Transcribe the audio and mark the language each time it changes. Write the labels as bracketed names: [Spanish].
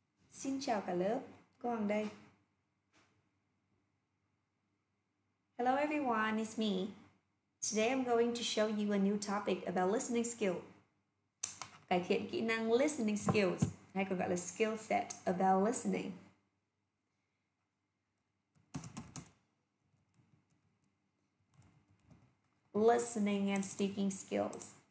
[Vietnamese] Xin chào cả lớp, cô Hoàng đây. [English] Hello everyone, it's me. Today I'm going to show you a new topic about listening skill. [Vietnamese] Cải thiện kỹ năng listening skills, hay còn gọi là [English] skill set about listening. Listening and speaking skills.